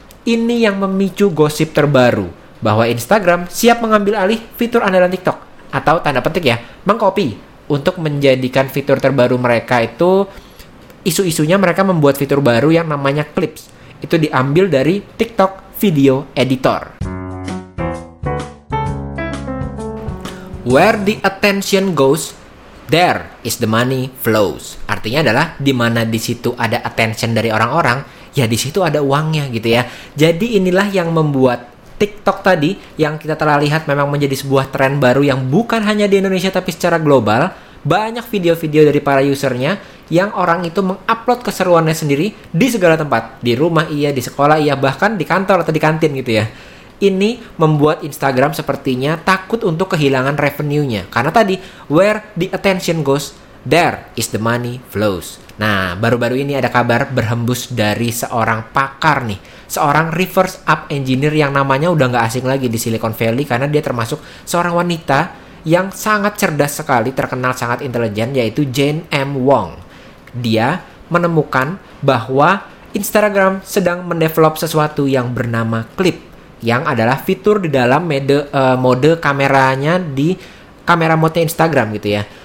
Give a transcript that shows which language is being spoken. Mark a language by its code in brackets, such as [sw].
[id] ini yang memicu gosip terbaru bahwa Instagram siap mengambil alih fitur andalan TikTok, atau tanda petik ya, mengcopy, untuk menjadikan fitur terbaru mereka itu, isu-isunya mereka membuat fitur baru yang namanya Clips. Itu diambil dari TikTok Video Editor. [en] Where the attention goes, there is the money flows. [id] Artinya adalah di mana di situ ada attention dari orang-orang, ya di situ ada uangnya gitu ya. Jadi inilah yang membuat TikTok tadi yang kita telah lihat memang menjadi sebuah tren baru yang bukan hanya di Indonesia tapi secara global. Banyak video-video dari para usernya yang orang itu mengupload keseruannya sendiri di segala tempat. Di rumah iya, di sekolah iya, bahkan di kantor atau di kantin gitu ya. Ini membuat Instagram sepertinya takut untuk kehilangan revenue-nya. Karena tadi, [en] where the attention goes, there is the money flows. [id] Nah, baru-baru ini ada kabar berhembus dari seorang pakar nih. Seorang reverse app engineer yang namanya udah nggak asing lagi di Silicon Valley karena dia termasuk seorang wanita yang sangat cerdas sekali, terkenal sangat intelijen, yaitu Jane M. Wong. Dia menemukan bahwa Instagram sedang mendevelop sesuatu yang bernama Clip, yang adalah fitur di dalam mode kameranya di kamera mode Instagram gitu ya.